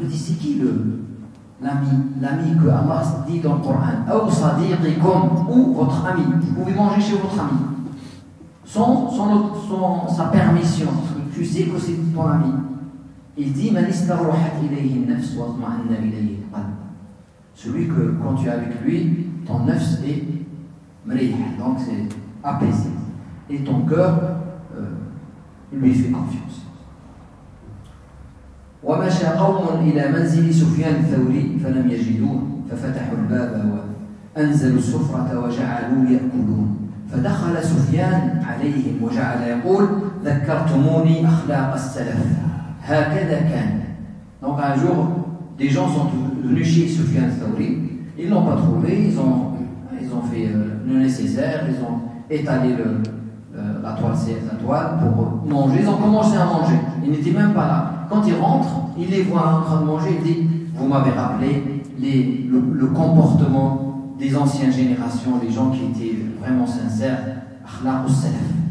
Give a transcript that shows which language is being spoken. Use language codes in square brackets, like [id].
[fr] Il dit, c'est qui l'ami que Allah dit dans le Coran, ou sadiqikum, ou votre ami, vous pouvez manger chez votre ami sans sa permission, tu sais que c'est ton ami. Il dit, [ar] man istarwahat ilayhi nafs wa tma'anna ilayhi qalb, [fr] celui que quand tu es avec lui, ton nafs est mriha, donc c'est apaisé et ton cœur lui fait confiance. [ar] ومشى قوم إلى منزل سفيان الثوري فلم يجدوه ففتحوا الباب وأنزلوا السفرة وجعلوا يأكلون فدخل سفيان عليهم وجعل يقول ذكرتموني أخلاق السلف هكذا كان. [fr] Donc un jour des gens sont venus chez Sufyan al-Thawri, ils l'ont pas trouvé, ils ont fait le nécessaire, ils ont étalé la toile pour manger, ils ont commencé à manger, ils n'étaient même pas là. Quand il rentre, il les voit en train de manger, il dit, vous m'avez rappelé le comportement des anciennes générations, les gens qui étaient vraiment sincères, akhlaq al-salaf.